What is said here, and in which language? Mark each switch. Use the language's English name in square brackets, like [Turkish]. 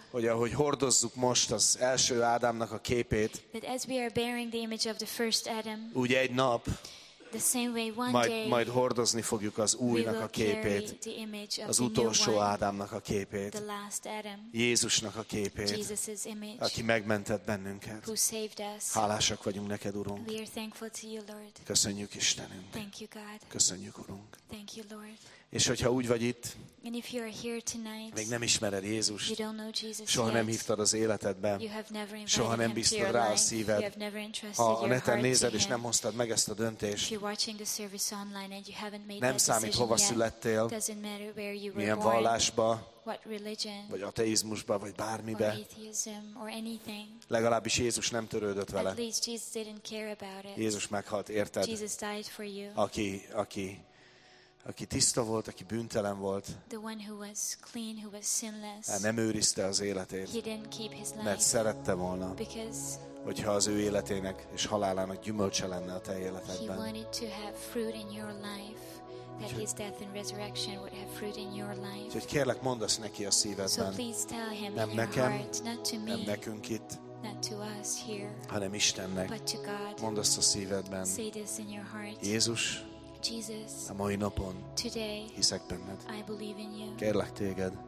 [Hungarian] hogy ahogy hordozzuk most az első Ádámnak a képét, [English] that as we are bearing the image of the first Adam, [Hungarian] úgy egy nap, [English] the same way one [Hungarian] majd, [English] day, [Hungarian] majd hordozni fogjuk az újnak a képét, az utolsó Ádámnak a képét, [English] the last Adam, [Hungarian] Jézusnak a képét, [English] Jesus's image, [Hungarian] aki megmentett bennünket. [English] Who saved us. [Hungarian] Hálásak vagyunk neked, Urunk. [English] We are thankful to you, Lord. [Hungarian] Köszönjük, Istenünk. [English] Thank you, God. [Hungarian] Köszönjük, Urunk. [English] Thank you, Lord. [Hungarian] És hogyha úgy vagy itt, [English] and if you are here tonight, [Hungarian] még nem ismered Jézust, [English] you don't know Jesus, [Hungarian] soha [English] yet, [Hungarian] nem hívtad az életedbe, [English] you have never invited, [Hungarian] soha nem bíztad rá a szíved, [English] you have never entrusted, [Hungarian] ha a neten [English] your heart [Hungarian] nézed, [English] to him, [Hungarian] és nem hoztad meg ezt a döntést, [English] if you're watching the service online and you haven't made, [Hungarian] nem számít, hova [English] yet, [Hungarian] születtél, [English] doesn't matter where you were, [Hungarian] milyen vallásba, [English] what religion, [Hungarian] vagy ateizmusba, vagy bármibe, [English] or atheism, or anything, [Hungarian] legalábbis Jézus nem törődött vele. [English] At least Jesus didn't care about it. [Hungarian] Jézus meghalt, érted? [English] Jesus died for you. [Hungarian] Aki tiszta volt, aki bűntelen volt, [English] the one who was clean, who was sinless, [Hungarian] nem őrizte az életét, [English] he didn't keep his life, [Hungarian] mert szerette volna, [English] because [Hungarian] hogyha az ő életének és halálának gyümölcse lenne a te életedben. [English] He wanted to have fruit in your life, that his death and resurrection would have fruit in your life. [Hungarian] Úgyhogy kérlek, mondd azt neki a szívedben, [English] so please tell him, [Hungarian] nem nekem, [English] heart, not to me, [Hungarian] nem nekünk itt, [English] not to us here, [Hungarian] hanem Istennek. [English] But to God. [Hungarian] Mondd azt a szívedben, [English] say this in your heart, [Hungarian] Jézus, [English] Jesus, [Hungarian] a mai napon [English] today, [Hungarian] hiszek benned. [English] I believe in you. [Hungarian] Kérlek téged,